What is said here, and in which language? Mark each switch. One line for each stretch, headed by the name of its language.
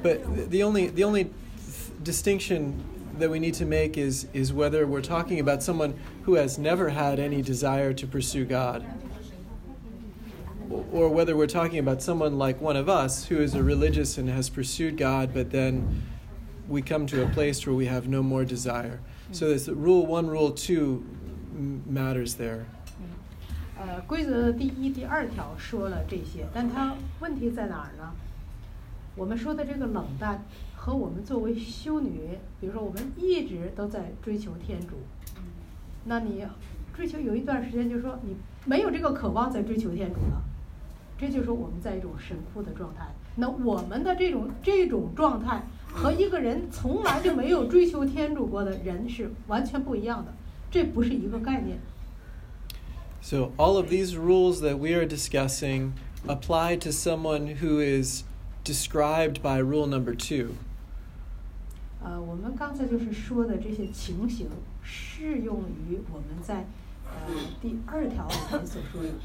English: But the only distinction that we need to make is whether we're talking about someone who has never had any desire to pursue God, or whether we're talking about someone like one of us who is a religious and has pursued God, but then we come to a place where we have no more desire. So this rule one, rule two matters there.
Chinese: 规则的第一、第二条说了这些，但它问题在哪儿呢？我们说的这个冷淡和我们作为修女，比如说我们一直都在追求天主，那你追求有一段时间，就是说你没有这个渴望在追求天主了，这就是我们在一种神枯的状态。那我们的这种状态和一个人从来就没有追求天主过的人是完全不一样的，这不是一个概念。
English: So all of these rules that we are discussing apply to someone who is described by rule number two.
Chinese: 我们刚才就是说的这些情形适用于我们在第二条里面所说的。